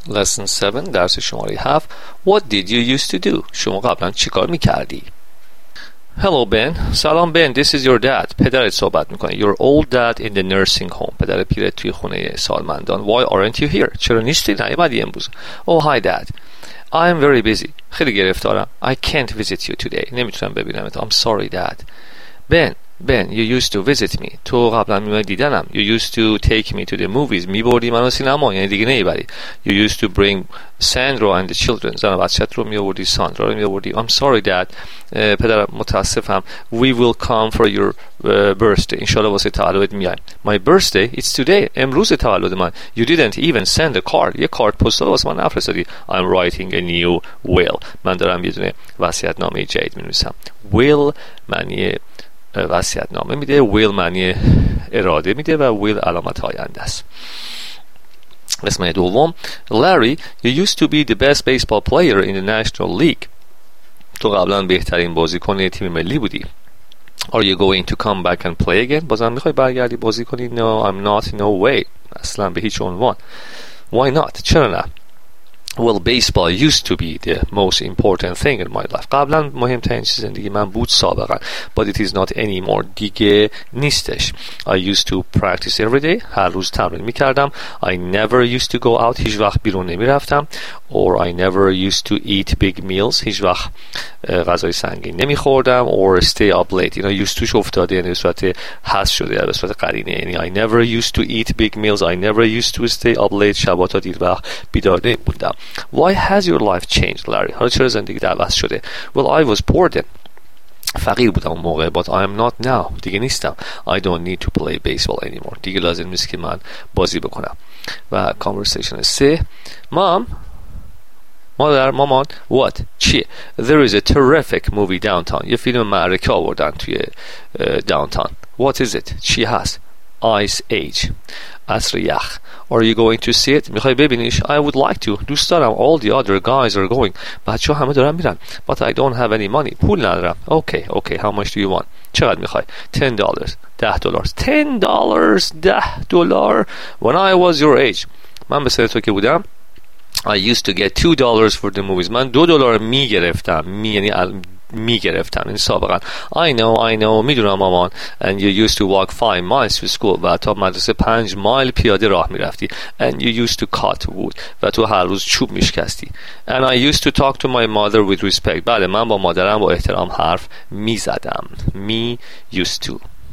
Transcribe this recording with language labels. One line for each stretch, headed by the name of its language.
English: Lesson 7
Persian: درس شماره 7
English: What did you used to do?
Persian: شما قبلا چیکار می‌کردی؟
English: Hello Ben.
Persian: سلام
English: Ben. This is your dad.
Persian: پدرت صحبت می‌کنه.
English: Your old dad in the nursing home.
Persian: پدر پیرت توی خونه سالمندان.
English: Why aren't you here?
Persian: چرا نیستی؟ نیومدی امروز.
English: Oh hi dad. I am very busy.
Persian: خیلی گرفتارم.
English: I can't visit you today.
Persian: نمیتونم ببینمت.
English: I'm sorry dad. Ben, you used to visit me.
Persian: تو قبلا میومدی دیدنم.
English: You used to take me to the movies.
Persian: میبردی منو سینما، یعنی دیگه نمیبری.
English: You used to bring Sandro and the children.
Persian: زن و بچه‌ت رو میآوردی، ساندرا رو میآوردی.
English: I'm sorry dad.
Persian: پدرم متاسفم.
English: We will come for your birthday.
Persian: ان شاء الله واسه تولدت میایم.
English: My birthday it's today.
Persian: امروز تولد من.
English: You didn't even send a card.
Persian: یه کارت پستال واسه من نفرستادی.
English: I'm writing a new will.
Persian: من دارم یه دونه وصیت‌نامه جدید می‌نویسم. Will معنی وصیت نامه میده، ویل معنی اراده میده و ویل علامت آینده است. قسمت دوم، لری
English: you used to be the best baseball player in the national league.
Persian: تو قبلا بهترین بازیکن تیم ملی بودی.
English: Are you going to come back and play again؟
Persian: بازم میخوای برگردی بازی کنی؟
English: No, I'm not. No way.
Persian: اصلا به هیچ عنوان.
English: Why not؟
Persian: چرا نه؟
English: Well, baseball used to be the most important thing in my life.
Persian: قبلا مهمترین چیز زندگی من بود سابقا.
English: But it is not anymore.
Persian: دیگه نیستش.
English: I used to practice every day.
Persian: هر روز تمرین میکردم.
English: I never used to go out.
Persian: هیچ وقت بیرون نمیرفتم.
English: Or I never used to eat big meals.
Persian: هیچ وقت غذای سنگین نمیخوردم.
English: Or stay up late.
Persian: اینا used توش افتاده، یعنی به صورت حذف شده، به صورت قرینه.
English: یعنی I never used to eat big meals. I never used to stay up late.
Persian: شبا تا دیر وقت بیدار نمیبودم.
English: Why has your life changed, Larry?
Persian: حالا چرا زندگیت عوض شده؟
English: Well, I was poor then.
Persian: فقیر بودم اون موقع.
English: But I am not now.
Persian: دیگه نیستم.
English: I don't need to play baseball anymore.
Persian: دیگه لازم نیست که من بازی بکنم. و conversation 3.
English: مامان what?
Persian: چیه؟
English: There is a terrific movie downtown.
Persian: یه فیلم معرکه آوردن توی downtown.
English: What is it?
Persian: چی هست؟ Ice Age. عصر یخ.
English: Are you going to see it?
Persian: میخوای ببینیش؟
English: I would like to.
Persian: دوست دارم.
English: All the other guys are going.
Persian: بچه ها همه دارن میرن.
English: But I don't have any money.
Persian: پول ندارم.
English: Okay. How much do you want?
Persian: چقدر میخوای؟
English: $10. $10. $10. $10. When I was your age.
Persian: من به سن تو که بودم.
English: I used to get $2 for the movies.
Persian: من $2 میگرفتم. میگرفتم این سابقا.
English: I know
Persian: میدونم مامان.
English: And you used to walk 5 miles to school.
Persian: و تا مدرسه 5 مایل پیاده راه میرفتی.
English: And you used to cut wood.
Persian: و تو هر روز چوب میشکستی.
English: And I used to talk to my mother with respect.
Persian: بله، من با مادرم با احترام حرف میزدم.
English: Me used to.